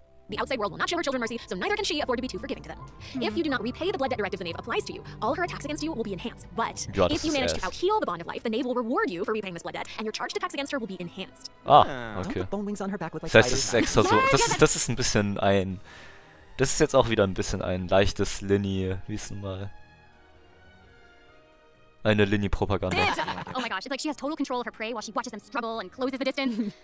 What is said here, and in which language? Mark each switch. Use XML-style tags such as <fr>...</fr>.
<en>The outside world will not show her children mercy, so neither can she afford to be too forgiving to them. Mm-hmm. If you do not repay the blood debt directive the Knave applies to you, all her attacks against you will be enhanced. But God, if you manage ass. To outheal the bond of life, the Knave will reward you for repaying this blood debt, and your charged attacks against her will be enhanced. Ah, okay. Bone wings on her back with like</en> <de>das heißt, das ist extra so. Das ist ein bisschen ein. Das ist jetzt auch wieder ein bisschen ein leichtes Linny, wissen mal. Eine Linny-Propaganda.</de> <en>Oh my gosh, it's like she has total control of her prey while she watches them struggle and closes the distance.</en>